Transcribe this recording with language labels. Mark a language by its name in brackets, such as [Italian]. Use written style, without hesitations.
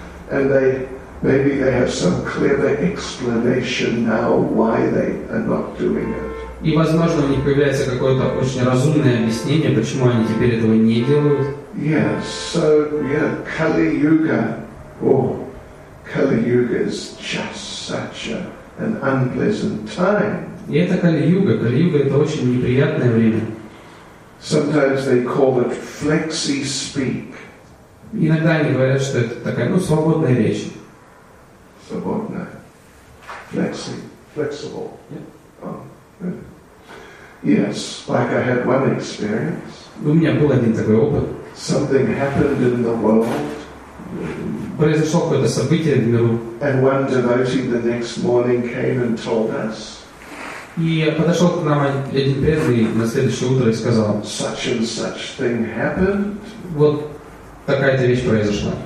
[English] And they, maybe they have some clever explanation now why they are not doing it. [Russian] И, возможно, у них появляется какое-то очень разумное объяснение, почему они теперь этого не делают. [English] Kali-Yuga. Kali-Yuga is just such an unpleasant time. [Russian] И это Кали-Юга. Кали-Юга — это очень неприятное время. [English] Sometimes they call it flexi-speak. [Russian] Иногда они говорят, что это такая, ну, свободная речь. Свободная. [English] Flexi. Flexible. Yeah. Yes, like I had one experience. [Russian] У меня был один такой опыт. [English] Something happened in the world. [Russian] Произошло какое-то событие в миру. [English] And one devotee the next morning came and told us. [Russian] И подошел к нам один преданный на следующее утро и сказал: [English] such and such thing happened. [Russian] Вот такая-то вещь произошла.